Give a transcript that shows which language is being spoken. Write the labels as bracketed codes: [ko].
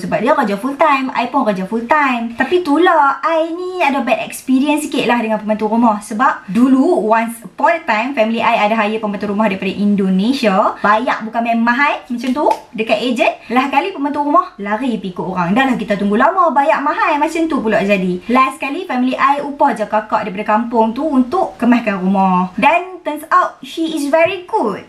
[ms] Sebab dia kerja full time, I pun kerja full time. Tapi itulah, I ni ada [en] bad experience [ms] sikit lah dengan pembantu rumah. Sebab dulu, [en] once upon a time, [ms] family I ada hire pembantu rumah daripada Indonesia. Bayar bukan main mahal macam tu dekat ejen. Lah kali pembantu rumah lari pikut orang. Dah lah kita tunggu lama, bayar mahal macam tu pula jadi. Last kali family I upah je kakak daripada kampung tu untuk kemaskan rumah. Dan [en] turns out she is very good.